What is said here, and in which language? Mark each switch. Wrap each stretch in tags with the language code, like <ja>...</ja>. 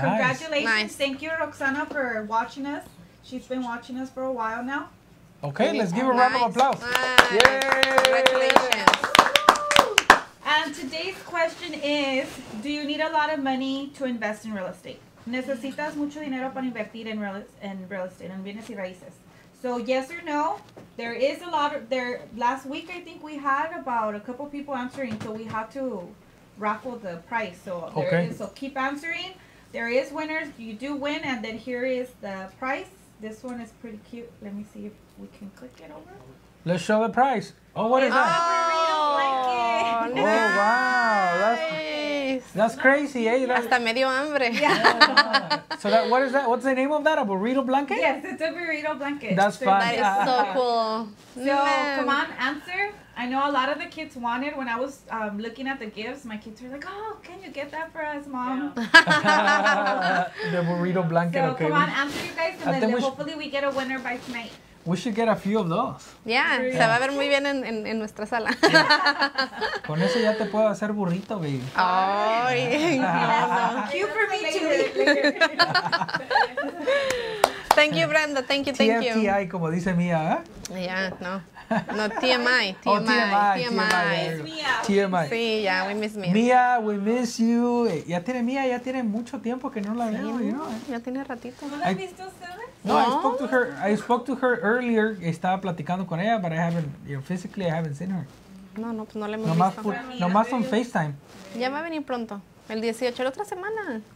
<en>Congratulations. Nice. Thank you, Roxana, for watching us. She's been watching us for a while now. Okay, let's give her a round of applause. Nice. Yay! Congratulations. And today's question is, do you need a lot of money to invest in real estate?</en> <es>¿Necesitas mucho dinero para invertir en real estate, en bienes y raíces?</es> <en>So yes or no, there is a lot of, there, last week I think we had about a couple people answering, so we had to raffle the prize. So there is, so keep answering. There is winners, you do win, and then here is the price. This one is pretty cute. Let me see if we can click it over. Let's show the price. Oh, what is that? Nice. Oh, wow. That's crazy, eh?</en> <es>Hasta me dio hambre.</es> <en>Yeah. So that, what is that? What's the name of that? A burrito blanket? Yes, it's a burrito blanket. That's fun. That is so cool. So, come on, answer. I know a lot of the kids wanted, when I was looking at the gifts, my kids were like, oh, can you get that for us, Mom? Yeah. The burrito blanket, so, okay. So, come on, answer, you guys, and then hopefully we get a winner by tonight. We should get a few of those. Yeah, burrito.</en> <es>Se va a ver muy bien en nuestra sala.</es> <en>Yeah.</en> <es>Con eso ya te puedo hacer burrito, baby. Ay,</es> <en>cute for me too. Thank you, Brenda. Thank you, thank you.</en> <es>TFTI, como dice Mía, ¿eh?</es> <en>Yeah, no. No, TMI. TMI. Sí, ya, yeah, we miss Mía. Mía, we miss you.</en> <es>Ya tiene Mía, ya tiene mucho tiempo que no la veo. Sí,</es> <en>you know,</en> <es>ya tiene ratito. ¿No la has visto usted?</es> <en>No, I spoke to her. I spoke to her earlier.</en> <es>Estaba platicando con ella,</es> <en>but I haven't, you know, physically, I haven't seen her.</en> <es>No, no, pues no la hemos visto.</es> <en>No más on FaceTime.</en> <es>Ya va a venir pronto, el 18, la otra semana.</es>